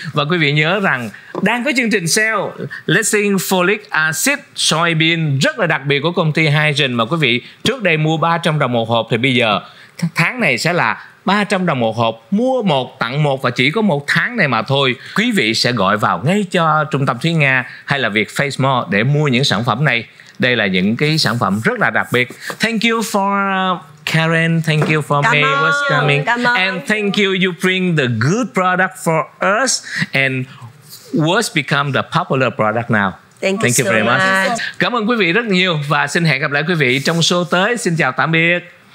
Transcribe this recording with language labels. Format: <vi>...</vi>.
<vi>Và quý vị nhớ rằng đang có chương trình sale Lysine Folic Acid Soybean rất là đặc biệt của công ty Hygiene, mà quý vị trước đây mua 300 đồng một hộp thì bây giờ tháng này sẽ là 300 đồng một hộp, mua một tặng một, và chỉ có một tháng này mà thôi. Quý vị sẽ gọi vào ngay cho trung tâm Thúy Nga hay là Việt Face More để mua những sản phẩm này. Đây là những cái sản phẩm rất là đặc biệt.</vi> <en>Thank you for Karen, thank you for May was coming. And thank you, you bring the good product for us and what's become the popular product now. Thank you so very much.</en> <vi>Cảm ơn quý vị rất nhiều và xin hẹn gặp lại quý vị trong show tới. Xin chào tạm biệt.</vi>